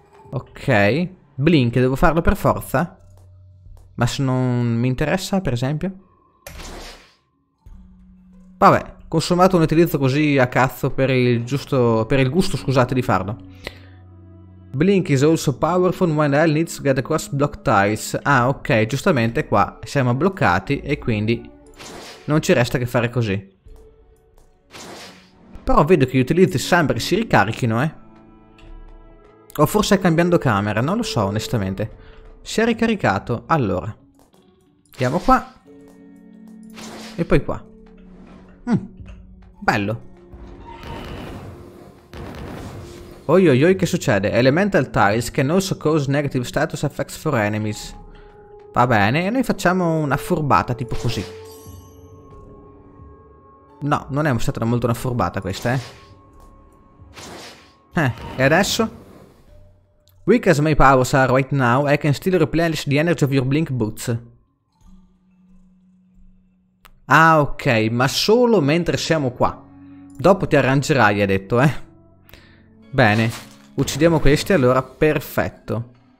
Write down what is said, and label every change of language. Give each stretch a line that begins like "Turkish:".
Italian: Ok, blink, devo farlo per forza? Ma se non mi interessa, per esempio? Vabbè, consumato un utilizzo così a cazzo per il giusto, per il gusto, scusate, di farlo.
English: Blink is also powerful when L needs to get across block tiles.
Italian: Ah, ok, giustamente qua siamo bloccati e quindi non ci resta che fare così. Però vedo che gli utilizzi sempre si ricarichino, eh. O forse cambiando camera, non lo so onestamente. Si è ricaricato, allora. Andiamo qua. E poi qua. Bello. Oi oi oi, che succede?
English: Elemental tiles can also cause negative status effects for enemies.
Italian: Va bene, e noi facciamo una furbata tipo così. No, non è stata molto una furbata questa, eh. E adesso?
English: Weak as my powers are right now, I can still replenish the energy of your blink boots.
Italian: Ah, ok, ma solo mentre siamo qua. Dopo ti arrangerai, ha detto, eh. Bene, uccidiamo questi allora, perfetto.